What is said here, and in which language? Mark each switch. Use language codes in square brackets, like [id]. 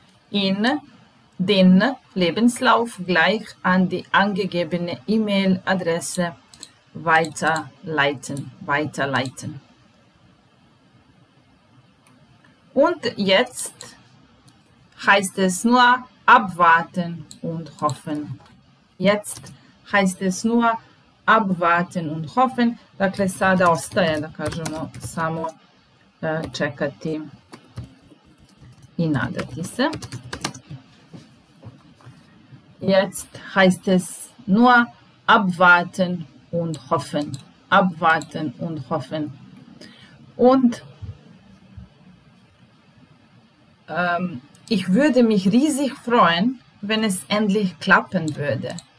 [de] In den Lebenslauf gleich an die angegebene E-Mail-Adresse weiterleiten. Und jetzt heißt es nur abwarten und hoffen. Jetzt heißt es nur abwarten und hoffen. [sr] Dakle, sada ostaje, da kažemo, samo čekati i nadati se. [de] Jetzt heißt es nur abwarten und hoffen. Abwarten und hoffen. Und ich würde mich riesig freuen, wenn es endlich klappen würde.